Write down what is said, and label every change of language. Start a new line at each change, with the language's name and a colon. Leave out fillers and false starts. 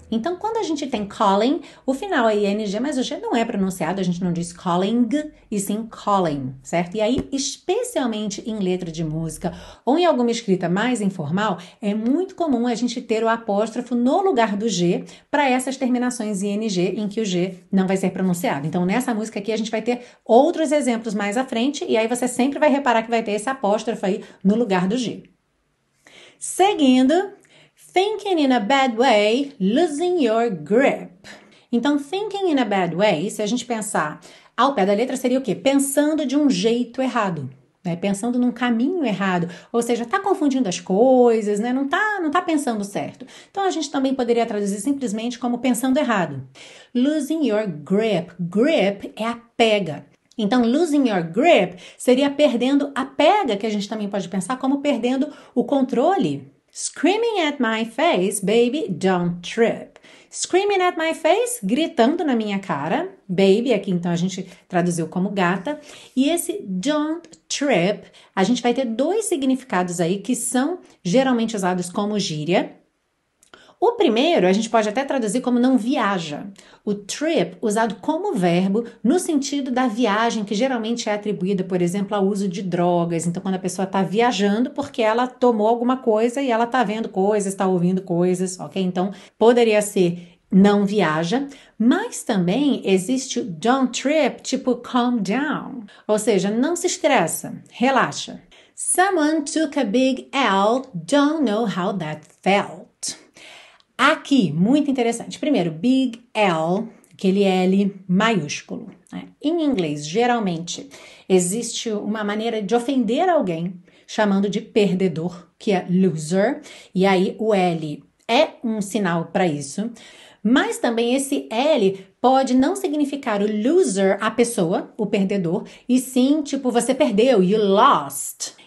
Portuguese: Então, quando a gente tem calling, o final é ing, mas o g não é pronunciado, a gente não diz calling, e sim calling, certo? E aí, especialmente em letra de música ou em alguma escrita mais informal, é muito comum a gente ter o apóstrofo no lugar do g para essas terminações ing em que o G não vai ser pronunciado. Então, nessa música aqui, a gente vai ter outros exemplos mais à frente, e aí você sempre vai reparar que vai ter esse apóstrofo aí no lugar do G.
English: Seguindo, thinking in a bad way, losing your grip.
Portuguese: Então,
English: thinking in a bad way,
Portuguese: se a gente pensar ao pé da letra, seria o quê? Pensando de um jeito errado. Né, pensando num caminho errado, ou seja, está confundindo as coisas, né, não tá pensando certo. Então a gente também poderia traduzir simplesmente como pensando errado.
English: Losing your grip.
Portuguese: Grip é a pega. Então,
English: losing your grip
Portuguese: seria perdendo a pega, que a gente também pode pensar como perdendo o controle.
English: Screaming at my face, baby, don't trip. Screaming at my face,
Portuguese: gritando na minha cara, baby, aqui então a gente traduziu como gata. E esse don't trip, a gente vai ter dois significados aí que são geralmente usados como gíria. O primeiro, a gente pode até traduzir como não viaja. O trip, usado como verbo, no sentido da viagem, que geralmente é atribuída, por exemplo, ao uso de drogas. Então, quando a pessoa está viajando porque ela tomou alguma coisa e ela está vendo coisas, está ouvindo coisas, ok? Então, poderia ser não viaja. Mas também existe o don't trip, tipo
English: calm down.
Portuguese: Ou seja, não se estressa, relaxa.
English: Someone took a big L, don't know how that felt.
Portuguese: Aqui, muito interessante. Primeiro, big L, aquele L maiúsculo. Né? Em inglês, geralmente, existe uma maneira de ofender alguém, chamando de perdedor, que é loser. E aí, o L é um sinal para isso. Mas também, esse L pode não significar o loser, a pessoa, o perdedor, e sim, tipo, você perdeu,
English: you lost.